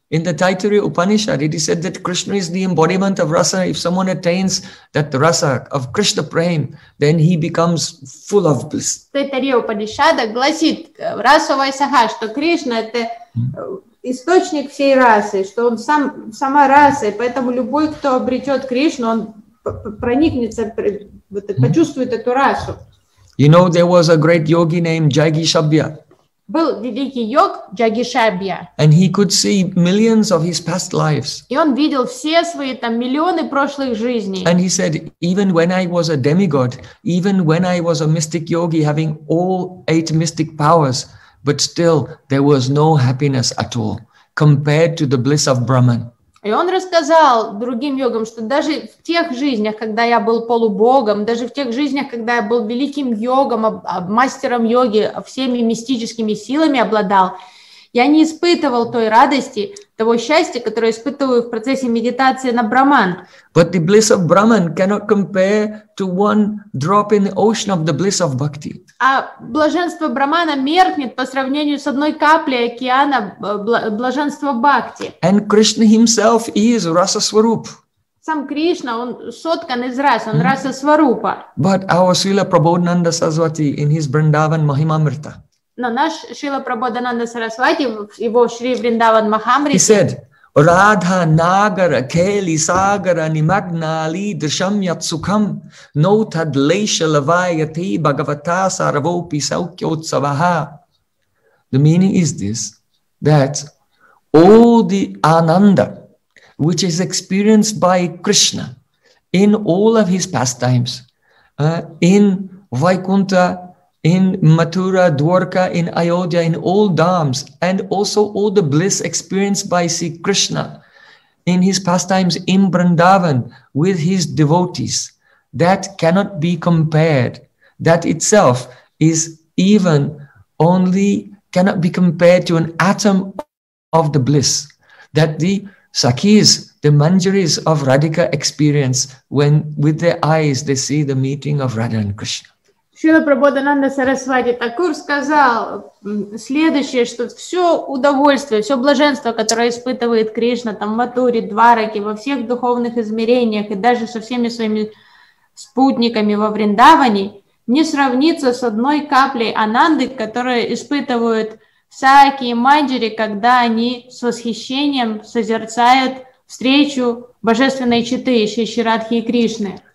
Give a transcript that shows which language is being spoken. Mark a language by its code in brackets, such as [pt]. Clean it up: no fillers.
[en] In the Taittiriya Upanishad, it is said that Krishna is the embodiment of rasa. If someone attains that rasa of Krishna Prem, then he becomes full of bliss. [ru] Taittiriya Upanishad гласит расовая саха, что Кришна это источник всей расы, что он сама раса, поэтому любой, кто обретет Кришну, он проникнется, почувствует эту расу. [en] You know, there was a great yogi named Jagishabya. [ru] Был великий йог Джагишабья. [en] And he could see millions of his past lives. [ru] И он видел все свои там миллионы прошлых жизней. [en] And he said, even when I was a demigod, even when I was a mystic yogi, having all eight mystic powers, but still there was no happiness at all compared to the bliss of Brahman. [ru] И он рассказал другим йогам, что даже в тех жизнях, когда я был полубогом, даже в тех жизнях, когда я был великим йогом, мастером йоги, всеми мистическими силами обладал, я не испытывал той радости, того счастья, которое испытываю в процессе медитации на Брахман. [en] But the bliss of Brahman cannot compare to one drop in the ocean of the bliss of bhakti. [ru] А блаженство Брахмана меркнет по сравнению с одной каплей океана блаженства бхакти. [en] And Krishna himself is rasa swarup. [ru] Сам Кришна, он соткан из рас, он раса сварупа. [en] But our Srila Prabodhananda Saraswati in his Vrindavan Mahimamrita. [ru] Но наш Шрила Прабхудананда Сарасвати, его Шри Вриндаван Махамрити. [en] He said, [sa] Radha Nagara Keli Sagara Nimagna Ali Drishamyat Sukham No Tad Leisha Lavayati Bhagavata Saravopi Saukyot Savaha. [en] The meaning is this, that all the Ananda, which is experienced by Krishna in all of his pastimes, in Vaikuntha, in Mathura, Dwarka, in Ayodhya, in all dharms, and also all the bliss experienced by Sri Krishna in his pastimes in Vrindavan with his devotees, that cannot be compared. That itself is even only, cannot be compared to an atom of the bliss that the Sakhis, the Manjaris of Radhika experience when with their eyes they see the meeting of Radha and Krishna. [ru] Шрила Прабхудананда Сарасвати Такур сказал следующее, что все удовольствие, все блаженство, которое испытывает Кришна там, в Матуре, Двараке, во всех духовных измерениях и даже со всеми своими спутниками во Вриндаване, не сравнится с одной каплей ананды, которую испытывают Саки и Манджари, когда они с восхищением созерцают встречу божественной Читы, Шри Радхи и Кришны.